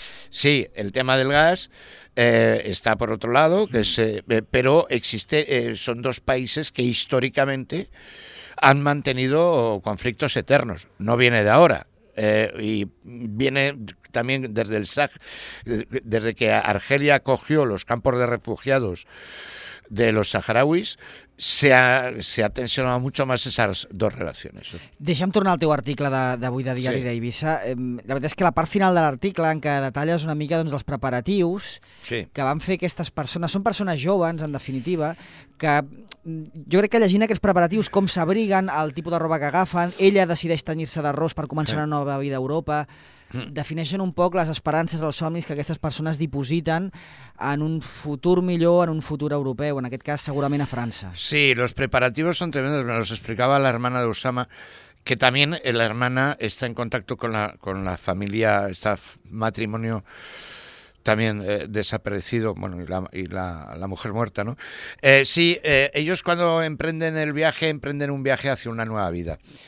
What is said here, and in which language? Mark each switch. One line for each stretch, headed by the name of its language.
Spanish: Sí, el tema del gas está por otro lado, que es, pero existe, son dos países que históricamente han mantenido conflictos eternos. No viene de ahora. Y viene también desde el SAG, desde que Argelia acogió los campos de refugiados de los saharauis, se ha tensionado mucho más esas dos relaciones.
Catalan: Deixa'm tornar al teu article d'avui de Diari d'Eivissa. La veritat és que la part final de l'article en què detalles una mica doncs, els preparatius que van fer aquestes persones, són persones joves, en definitiva, que jo crec que llegint aquests preparatius, com s'abriguen, el tipus de roba que agafen, ella decideix tenyir-se d'arròs per començar una nova vida a Europa, defineixen un poc les esperances, els somnis que aquestes persones dipositen en un futur millor, en un futur europeu, en aquest cas segurament a França.
Spanish: Sí, los preparativos son tremendos, me los explicaba la hermana de Usama, que también la hermana está en contacto con la familia, este matrimonio también desaparecido, bueno, y la mujer muerta, ¿no? Ellos cuando emprenden el viaje, emprenden un viaje hacia una nueva vida.